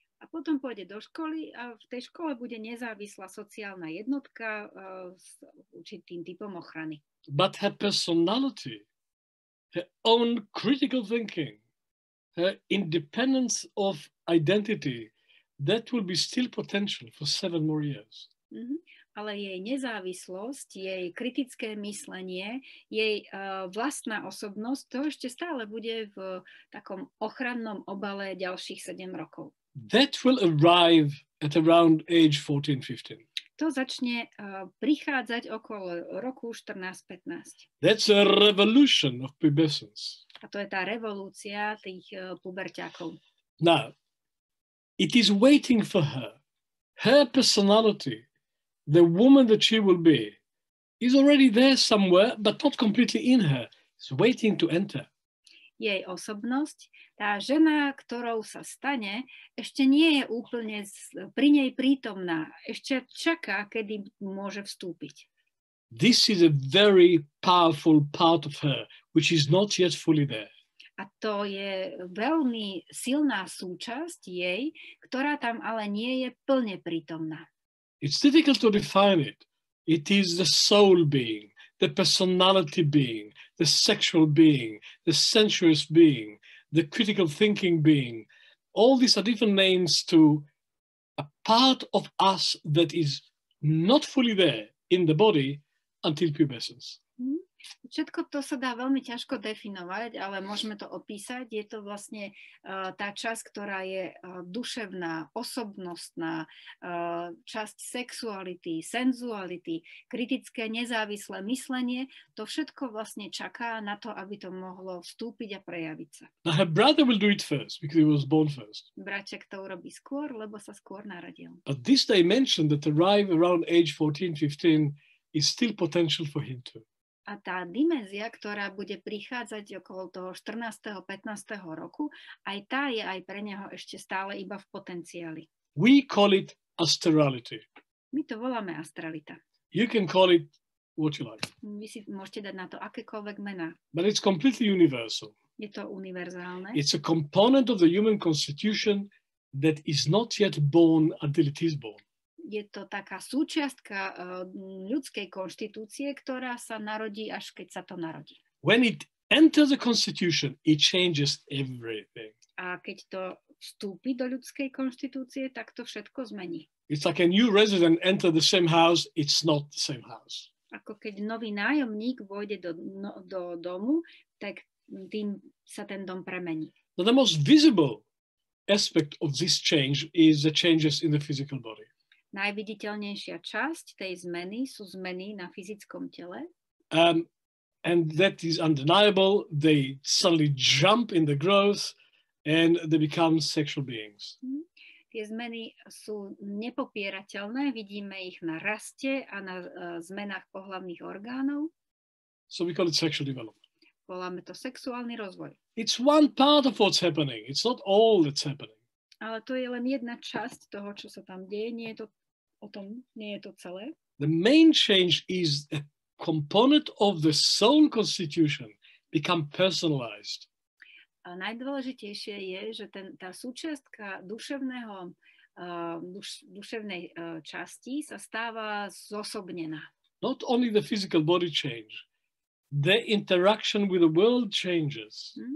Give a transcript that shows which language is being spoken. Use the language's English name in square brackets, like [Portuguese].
[Slovak] A potom pôjde do školy a v tej škole bude nezávislá sociálna jednotka s určitým typom ochrany. [English] But her personality, her own critical thinking, her independence of identity, that will be still potential for 7 more years. Mm-hmm. [Slovak] Ale jej nezávislosť, jej kritické myslenie, jej vlastná osobnosť, to ešte stále bude v takom ochrannom obale ďalších 7 rokov. [English] That will arrive at around age 14-15. [Slovak] To začne prichádzať okolo roku 14-15. [English] That's a revolution of pubescence. [Slovak] A to je tá revolúcia tých puberťákov. [English] Now, it is waiting for her. Her personality, the woman that she will be, is already there somewhere, but not completely in her. It's waiting to enter. [Slovak] Jej osobnosť, tá žena, ktorou sa stane, ešte nie je úplne pri nej prítomná. Ešte čaká, kedy môže vstúpiť. [English] This is a very powerful part of her, which is not yet fully there. [Slovak] A to je veľmi silná súčasť jej, ktorá tam ale nie je plne prítomná. [English] It's difficult to define it. It is the soul being, the personality being, the sexual being, the sensuous being, the critical thinking being. All these are different names to a part of us that is not fully there in the body until pubescence. [Slovak] Všetko to sa dá veľmi ťažko definovať, ale môžeme to opísať. Je to vlastne tá časť, ktorá je duševná, osobnostná, časť sexuality, senzuality, kritické, nezávislé myslenie. To všetko vlastne čaká na to, aby to mohlo vstúpiť a prejaviť sa. [English] Now her brother will do it first, because he was born first. [Slovak] Braček to urobí skôr, lebo sa skôr narodil. [English] But this dimension that arrive around age 14-15 is still potential for him too. [Slovak] A tá dimenzia, ktorá bude prichádzať okolo toho 14. 15. roku, aj tá je aj pre neho ešte stále iba v potenciáli. [English] We call it astrality. [Slovak] My to voláme astralita. [English] You can call it what you like. [Slovak] Vy si môžete dať na to akékoľvek mená. [English] But it's completely universal. [Slovak] Je to univerzálne. [English] It's a component of the human constitution that is not yet born until it is born. [Slovak] Je to taká súčiastka ľudskej konštitúcie, ktorá sa narodí, až keď sa to narodí. [English] When it enters the constitution, it changes everything. [Slovak] A keď to vstúpi do ľudskej konštitúcie, tak to všetko zmení. [English] It's like a new resident enter the same house, it's not the same house. [Slovak] Ako keď nový nájomník vôjde do domu, tak tým sa ten dom premení. [English] Now the most visible aspect of this change is the changes in the physical body. [Slovak] najviditeľnejšia časť tej zmeny sú zmeny na fyzickom tele. [English] And that is undeniable. They suddenly jump in the growth and they become sexual beings. [Slovak] Tie zmeny sú nepopierateľné. Vidíme ich na raste a na zmenách pohlavných orgánov. [English] So we call it sexual development. [Slovak] Voláme to sexuálny rozvoj. [English] It's one part of what's happening. It's not all that's happening. [Slovak] Ale to je len jedna časť toho, čo sa tam deje. Nie je to o tom, nie je to celé. [English] The main change is a component of the soul constitution become personalized. [Slovak] A najdôležitejšie je, že ten, tá súčiastka duševného, duševnej časti sa stáva zosobnená. [English] Not only the physical body change, the interaction with the world changes.